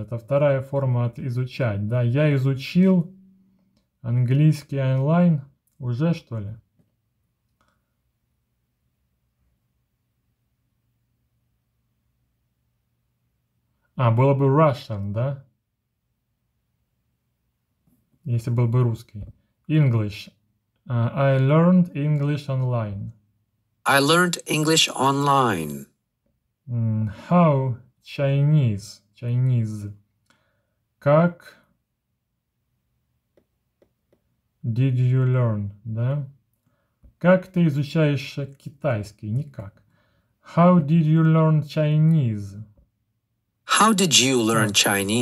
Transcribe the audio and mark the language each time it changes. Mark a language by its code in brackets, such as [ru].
[ru] Это вторая форма от изучать. Да, я изучил английский онлайн. Уже, что ли? А, было бы Russian, да? Если был бы русский. English. [en] I learned English online. I learned English online. How? Chinese. Chinese. Как? Did you learn? Да? [ru] Как ты изучаешь китайский? Никак. [en] How did you learn Chinese? How did you learn Chinese?